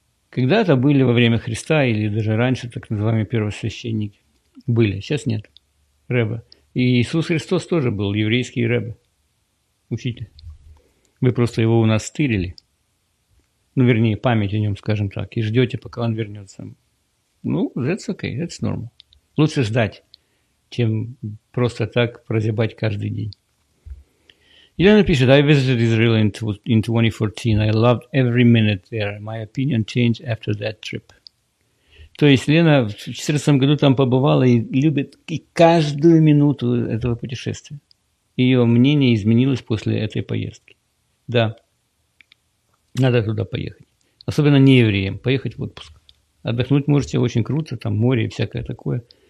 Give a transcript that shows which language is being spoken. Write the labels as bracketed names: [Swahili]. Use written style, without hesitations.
[Russian] Когда-то были во время Христа или даже раньше так называемые первосвященники, были, сейчас нет, ребе. И Иисус Христос тоже был еврейский ребе, учитель. Вы просто его у нас стырили, ну вернее память о нем, скажем так, и ждете, пока он вернется. [English] Ну, that's okay, that's normal. [Russian] Лучше ждать, чем просто так прозябать каждый день. Елена пишет, [English] I visited Israel in 2014. I loved every minute there. My opinion changed after that trip. [Russian] То есть Лена в 2014 году там побывала и любит и каждую минуту этого путешествия. Ее мнение изменилось после этой поездки. Да, надо туда поехать. Особенно не евреям, поехать в отпуск. Отдохнуть можете очень круто, там море и всякое такое.